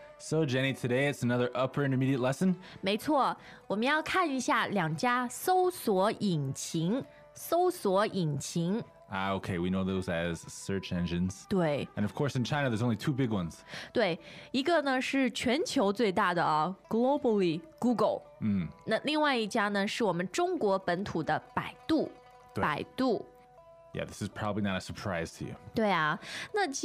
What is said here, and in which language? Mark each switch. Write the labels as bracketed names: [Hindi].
[English] So Jenny, today it's another upper intermediate lesson. [Chinese] 没错，我们要看一下两家搜索引擎。搜索引擎。 [English] Okay, we know those as search engines. [Chinese] 对。 [English] And of course, in China, there's only two big ones. [Chinese] 对，一个呢是全球最大的啊，globally Google. 那另外一家呢，是我们中国本土的百度。百度。 [English] Yeah, this is probably not a surprise to you.